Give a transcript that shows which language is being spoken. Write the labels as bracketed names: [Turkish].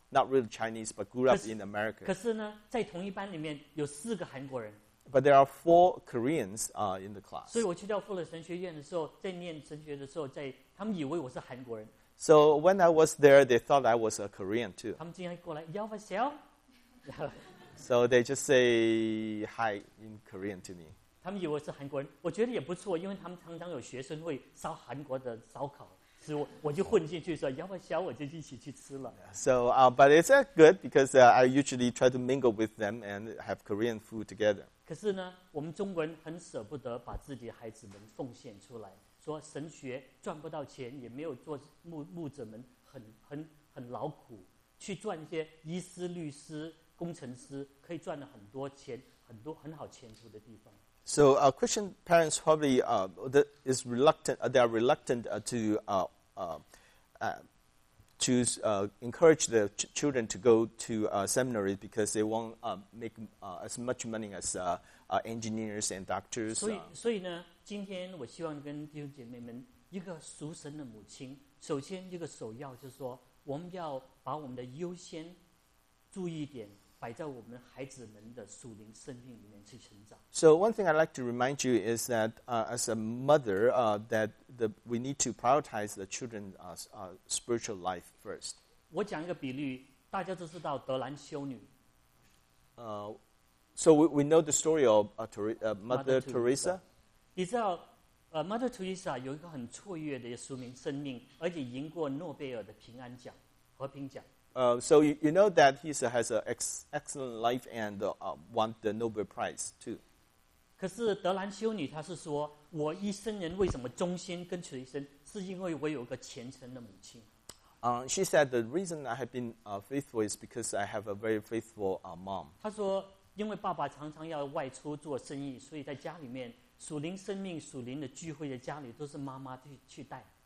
[English] Not really Chinese, but grew up in America. [Chinese] 可是呢，在同一班里面有四个韩国人。 [English] But there are four Koreans in the class. [Chinese] 所以我去到富勒神学院的时候，在念神学的时候，在他们以为我是韩国人。 [English] So when I was there, they thought I was a Korean too. [Chinese] 他们竟然过来要不笑。 [English] So they just say hi in Korean to me. [Chinese] 他们以为我是韩国人，我觉得也不错，因为他们常常有学生会烧韩国的烧烤。所以我就混进去说要不要小我就一起去吃了。 [English] So, but it's good because I usually try to mingle with them and have Korean food together. [Chinese] 可是呢，我们中国人很舍不得把自己的孩子们奉献出来，说神学赚不到钱，也没有做牧者们很劳苦，去赚一些医师、律师、工程师，可以赚了很多钱，很多很好前途的地方。 [English] So Christian parents probably are reluctant to encourage their children to go to seminary because they won't make as much money as engineers and doctors. [Chinese] 所以呢，今天我希望跟弟兄姐妹们，一个属神的母亲，首先一个首要就是说，我们要把我们的优先注意点。摆在我们孩子们的属灵生命里面去成长。 [English] So one thing I'd like to remind you is that as a mother, we need to prioritize the children's spiritual life first. [Chinese] 我讲一个比喻，大家都知道德兰修女。 [English] So we know the story of Mother Teresa. [Chinese] 你知道Mother Teresa 有一个很卓越的属灵生命，而且赢过诺贝尔的平安奖、和平奖。 [English] So you know that he has an excellent life and won the Nobel Prize too. [Chinese] 可是德兰修女她是说，我一生人为什么忠心跟随一生，是因为我有个虔诚的母亲。 [English] She said the reason I have been faithful is because I have a very faithful mom. [Chinese] 她说，因为爸爸常常要外出做生意，所以在家里面属灵生命、属灵的聚会的家里都是妈妈去带。